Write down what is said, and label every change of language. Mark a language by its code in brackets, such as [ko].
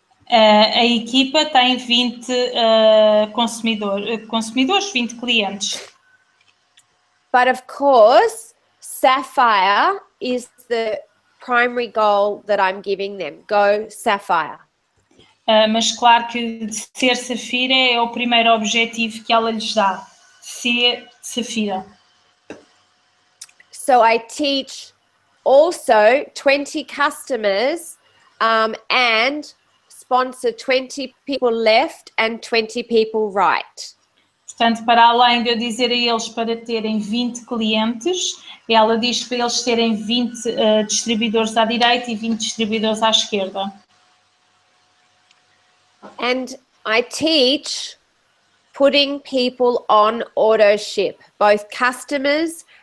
[pt] A equipa tem 20 consumidores, 20 clientes. [en] But of course, Sapphire is the primary goal that I'm giving them. Go Sapphire. [pt] Mas claro que ser Safira é o primeiro objetivo que ela lhes dá. Ser Safira. [en] So I teach also 20 customers and sponsor 20 people left and 20 people right. [pt] Portanto, para além de eu dizer a eles para terem 20 clientes, ela diz para eles terem 20 distribuidores à direita e 20 distribuidores à esquerda. [en] And I teach putting people on auto ship, both customers